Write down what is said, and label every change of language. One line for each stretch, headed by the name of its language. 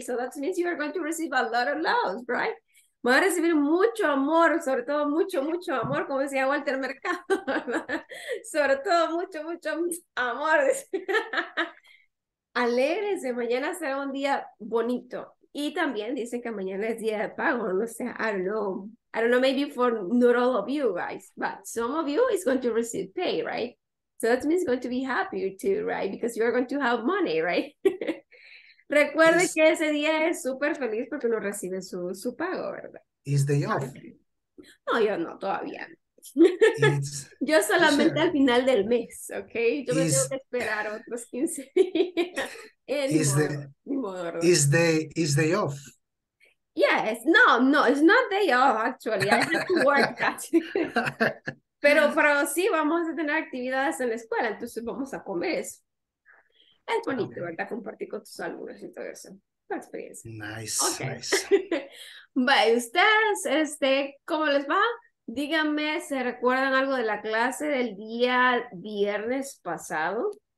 English: So that means you are going to receive a lot of love, right?
Spanish: Van a recibir mucho amor, sobre todo mucho, mucho amor, como decía Walter Mercado. Sobre todo mucho, mucho amor. Alégrense, mañana será un día bonito. Y también dicen que mañana es día de pago, no sé,
English: I don't know, maybe for not all of you guys, but some of you is going to receive pay, right? So that means going to be happy too, right? Because you are going to have money, right?
Spanish: Recuerde que ese día es súper feliz porque uno recibe su pago, ¿verdad?
English: Is the off?
Spanish: No, yo no, todavía. Yo solamente al final del mes, ¿ok? Yo me tengo que esperar otros 15 días.
English: Is the off? Yes, no, it's not day off, actually. I have to work that.
Spanish: Pero sí, vamos a tener actividades en la escuela, entonces vamos a comer eso. Es bonito, okay. ¿Verdad? Compartir con tus alumnos y todo eso. La experiencia.
English: Nice, okay. Nice.
Spanish: Bye, ustedes, ¿cómo les va? Díganme, ¿se recuerdan algo de la clase del día viernes pasado?